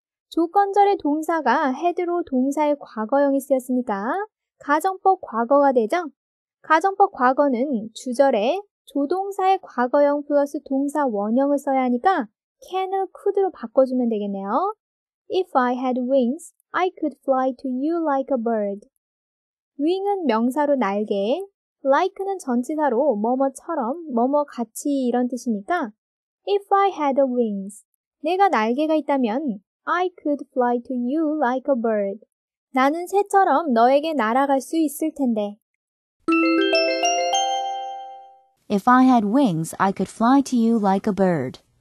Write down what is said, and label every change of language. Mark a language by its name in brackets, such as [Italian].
[Korean] 조건절의 동사가 had로 동사의 과거형이 쓰였으니까 가정법 과거가 되죠? 가정법 과거는 주절에 조동사의 과거형 플러스 동사 원형을 써야 하니까 can을 could로 바꿔주면 되겠네요. [English] If I had wings, I could fly to you like a bird. wing은 [Korean] 명사로 날개, [English] like는 [Korean] 전치사로 뭐뭐처럼, 뭐뭐 같이 이런 뜻이니까 [English] If I had wings, [Korean] 내가 날개가 있다면 [English] I could fly to you like a bird. [Korean] 나는 새처럼 너에게 날아갈 수 있을 텐데. [English] If I had wings, I could fly to you like a bird.